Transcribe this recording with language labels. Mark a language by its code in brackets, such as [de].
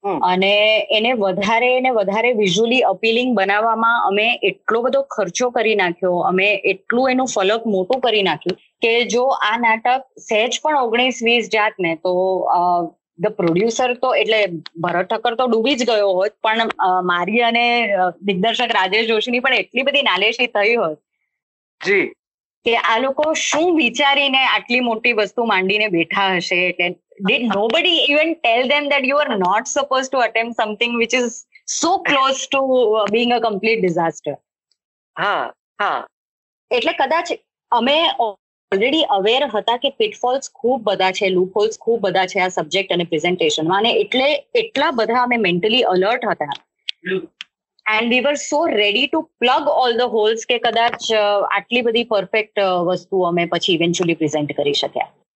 [gu] અને એને વધારે ને વધારે વિઝ્યુઅલી અપીલિંગ બનાવવામાં અમે એટલો બધો ખર્ચો કરી નાખ્યો, અમે એટલું એનું ફલક મોટું કરી નાખ્યું કે જો આ નાટક સહેજ પણ 19-20 જાત ને તો ધ પ્રોડ્યુસર તો એટલે ભરત ઠક્કર તો ડૂબી જ ગયો હોત, પણ મારી અને દિગ્દર્શક રાજેશ જોશીની પણ એટલી બધી નાલેશી થઈ હોત જી કે આ લોકો શું વિચારીને આટલી મોટી વસ્તુ માંડીને બેઠા હશે. [en] એટલે did nobody even tell them that you are not supposed to attempt something which is so close to being a complete disaster? [gu] એટલે કદાચ અમે ઓલરેડી અવેર હતા કે પિટફોલ્સ ખૂબ બધા છે, લૂપહોલ્સ ખૂબ બધા છે આ સબ્જેક્ટ અને પ્રેઝન્ટેશનમાં, અને એટલે એટલા બધા અમે મેન્ટલી અલર્ટ હતા. [en] And we were so ready to plug all the holes [gu] કે કદાચ આટલી બધી પરફેક્ટ વસ્તુ અમે પછી ઇવેન્ચ્યુઅલી પ્રેઝન્ટ કરી શક્યા.